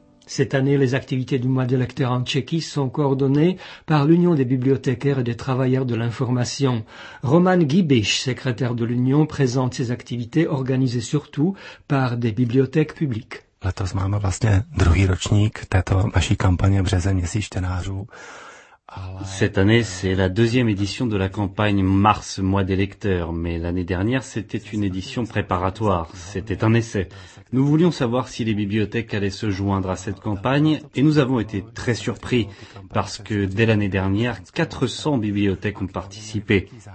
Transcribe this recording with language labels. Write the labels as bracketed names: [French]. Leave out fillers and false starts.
[French] Cette année, les activités du mois des lecteurs en Tchéquie sont coordonnées par l'Union des bibliothécaires et des travailleurs de l'information. Roman Gibich, secrétaire de l'Union, présente ces activités organisées surtout par des bibliothèques publiques. [Czech] Letos máme vlastně druhý ročník této naší kampaně březen měsíc čtenářů. [French] Cette année, c'est la 2e édition de la campagne Mars, mois des lecteurs, mais l'année dernière, c'était une édition préparatoire, c'était un essai. Nous voulions savoir si les bibliothèques allaient se joindre à cette campagne, et nous avons été très surpris, parce que dès l'année dernière, 400 bibliothèques ont participé.